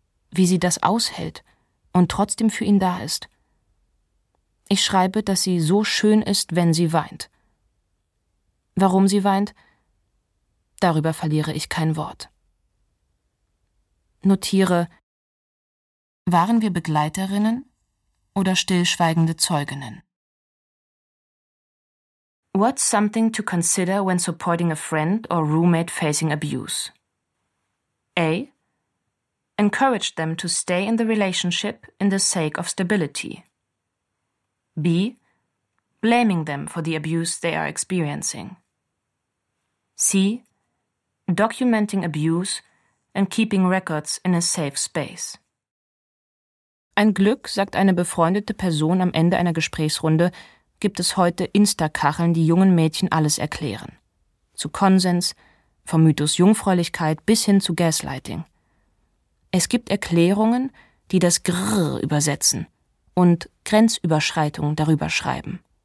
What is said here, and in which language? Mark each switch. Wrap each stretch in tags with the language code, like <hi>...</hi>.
<de>Wie sie das aushält und trotzdem für ihn da ist. Ich schreibe, dass sie so schön ist, wenn sie weint. Warum sie weint, darüber verliere ich kein Wort. Notiere: Waren wir Begleiterinnen oder stillschweigende Zeuginnen?</de> <en>What's something to consider when supporting a friend or roommate facing abuse? A. Encourage them to stay in the relationship in the sake of stability. B. Blaming them for the abuse they are experiencing. C. Documenting abuse and keeping records in a safe space.</en> <de>Ein Glück, sagt eine befreundete Person am Ende einer Gesprächsrunde, gibt es heute Insta-Kacheln, die jungen Mädchen alles erklären. Zu Konsens, vom Mythos Jungfräulichkeit bis hin zu Gaslighting. Es gibt Erklärungen, die das Grrr übersetzen und Grenzüberschreitung darüber schreiben.</de>